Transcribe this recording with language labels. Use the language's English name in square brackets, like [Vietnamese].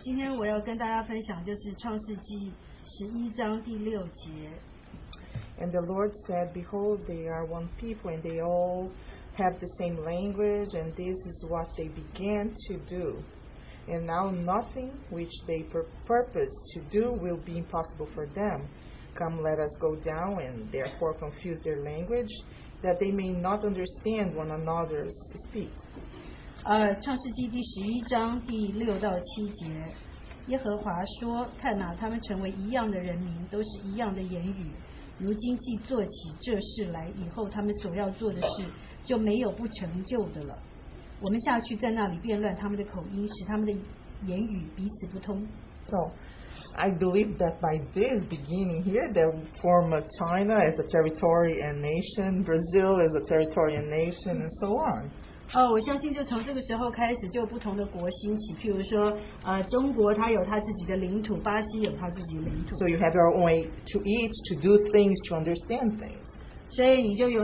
[Chinese] 今天我要跟大家分享就是创世纪十一章第六节。 [English] And the Lord said, Behold, they are one people, and they all have the same language, and this is what they began to do. and now nothing which they purpose to do will be impossible for them. Come, let us go down and therefore confuse their language, that they may not understand one another's speech. [Chinese] 创世纪第十一章第六到七节。耶和华说：“看哪，他们成为一样的人民，都是一样的言语。如今既做起这事来，以后他们所要做的事就没有不成就的了。我们下去在那里辩论他们的口音，使他们的言语彼此不通。” [English] So, I believe that by this beginning here, the form of China as a territory and nation, Brazil as a territory and nation, and so on. [Chinese] 我相信就从这个时候开始就不同的国兴起，譬如说，中国它有它自己的领土，巴西有它自己的领土。 [English] So you have your own way to eat, to do things, to understand things.